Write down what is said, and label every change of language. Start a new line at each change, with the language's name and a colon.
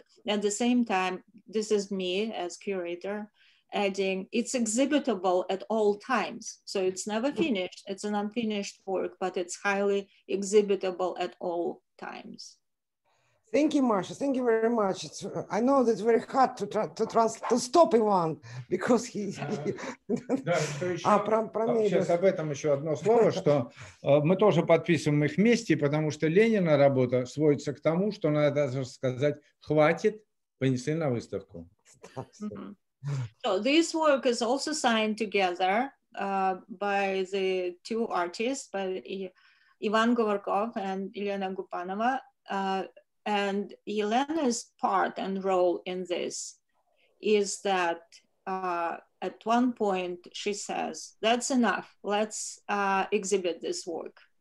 English: But at the same time, this is me as curator adding, it's exhibitable at all times, so it's never finished. It's an unfinished work, but it's highly exhibitable at all times. Thank you, Masha. Thank you very much. I know that it's very hard to stop Ivan, because he...
Russian: Сейчас об этом еще одно слово, что мы тоже подписываем их вместе, потому что Ленина работа сводится к тому, что надо сказать, хватит, понесли на выставку.
English: So this work is also signed together by the two artists, by Ivan Govorkov and Elena Gubanova. And Elena's part and role in this is that at one point she says, that's enough, let's exhibit this work.